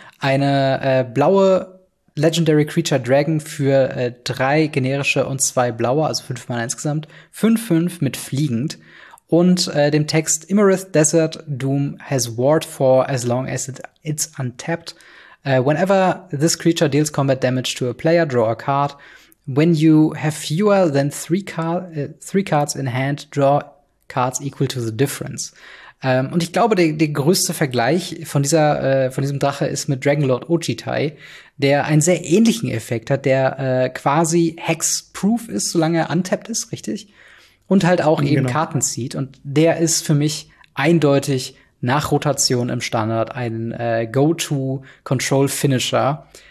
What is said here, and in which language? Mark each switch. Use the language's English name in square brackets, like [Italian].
[German] Eine blaue Legendary Creature Dragon für 3 generische und 2 blaue, also 5 Mana insgesamt. 5/5 mit fliegend. Und dem Text, [English] Imrith Desert Doom has warred for as long as it's untapped. Whenever this creature deals combat damage to a player, draw a card. When you have fewer than 3 cards in hand, draw cards equal to the difference. [German] Und ich glaube, der größte Vergleich von diesem Drache ist mit Dragonlord Ojitai, der einen sehr ähnlichen Effekt hat, der quasi hexproof ist, solange er untappt ist, richtig? Und halt auch Karten zieht. Und der ist für mich eindeutig nach Rotation im Standard ein Go-To-Control-Finisher.